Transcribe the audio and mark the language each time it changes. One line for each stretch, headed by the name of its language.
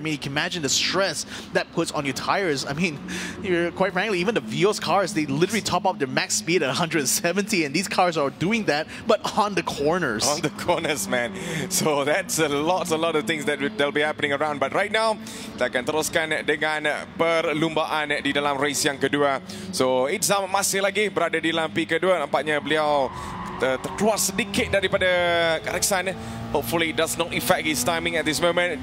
English: I mean, you can imagine the stress that puts on your tires. I mean, you're quite frankly, even the Vios cars, they literally top up their max speed at 170, and these cars are doing that, but on the corners. On the corners, man. So that's a lot of things that will be happening around. But right now,
Malay: kita akan teruskan dengan perlumbaan di dalam race yang kedua. So Iqzam masih lagi berada di dalam P kedua. Nampaknya beliau terkeluar sedikit daripada kareksan.
English: Hopefully it does not affect his timing at this moment.